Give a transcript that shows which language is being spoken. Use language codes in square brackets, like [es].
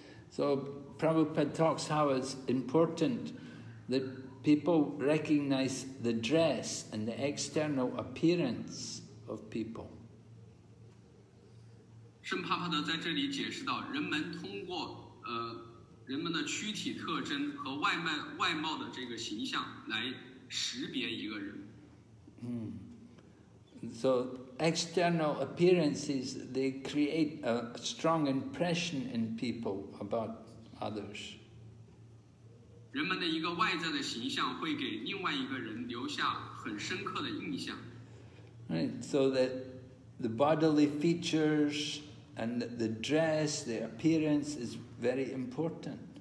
[en] So Prabhupada talks how it's important that people recognize the dress and the external appearance of people. [zh] 圣帕帕德在这里解释到，人们通过人们的躯体特征和外貌的这个形象来识别一个人。 [en] So external appearances, they create a strong impression in people about others. [zh] 人们的一个外在的形象会给另外一个人留下很深刻的印象。 [en] Right, so that the bodily features and the dress, the appearance is very important.